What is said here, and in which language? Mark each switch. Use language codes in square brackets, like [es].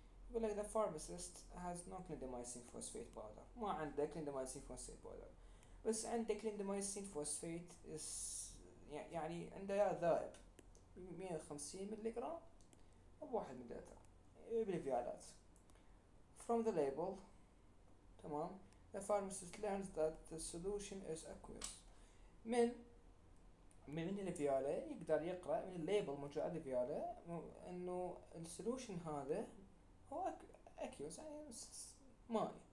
[ar] يقول لك [en] the pharmacist has no clindamycin phosphate powder، [ar] ما عندك clindamycin phosphate powder بس عندك clindamycin phosphate is يعني عنده يا ذائب 150 ملي جرام او 1 ملي لتر بالفيالات. [en] From the label [ar] تمام [en] the pharmacist learns that the solution is aqueous. [ar] من الفيالة يقدر يقرأ من الليبل موجود على الفيالة انه السولوشن هذا هو aqueous، يعني ماي.